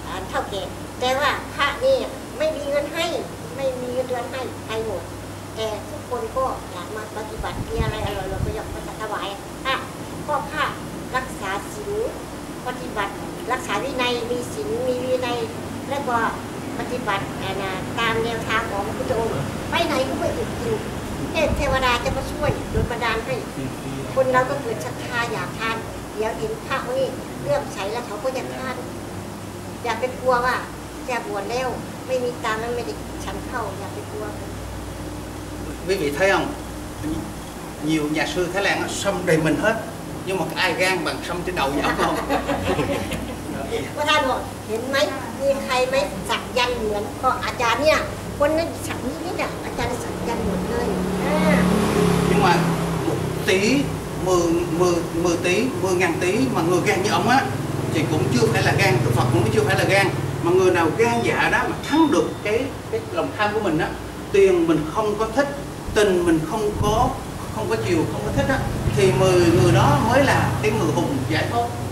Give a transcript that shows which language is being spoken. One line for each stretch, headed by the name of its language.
Thai: เท่าแก่แต่ว่าพระนี่ไม่มีเงินให้ไม่มีเงินเดือนให้ใครหมดแต่ทุกคนก็อยากมาปฏิบัติมีอะไรอร่อยเราก็อยากมาถวายพระก็พระรักษาศีลปฏิบัติรักษาวินัยมีศีลมีวินัยแล้วก็ปฏิบัติตามแนวทางของพระพุทธองค์ไปไหนก็ไปจริงเทพเทวดาจะมาช่วยโดยบันดาลให้ คนเราก็เกิดศรัทธาอยากทานเดี๋ยวเห็นพระนี่เลื่อมใสแล้วเขาก็จะทานอย่าไปกลัวว่าจะบวชแล้วไม่มีตังค์แล้วไม่ได้ฉันเข้าอย่าไปกลัว ไม่มีทาง
Vietnamese: nhiều nhà sư Thái Lan xăm đầy mình hết nhưng mà ai gan bằng xăm trên đầu nhỏ không
Thai: พระท่านบอกเห็นไหมมีใครไหมสักยันเหมือนพ่ออาจารย์เนี่ยคนนั้นสักนิดนี่อาจารย์สักยันหมดเลย
Vietnamese: Nhưng mà 1 tỷ, 10 tỷ, 10 ngàn tỷ mà người gan như ông á thì cũng chưa phải là gan, Đức Phật cũng chưa phải là gan. Mà người nào gan dạ đó mà thắng được cái lòng tham của mình á, tiền mình không có thích, tình mình không có chiều, không có thích á, thì người đó mới là cái người hùng giải thoát.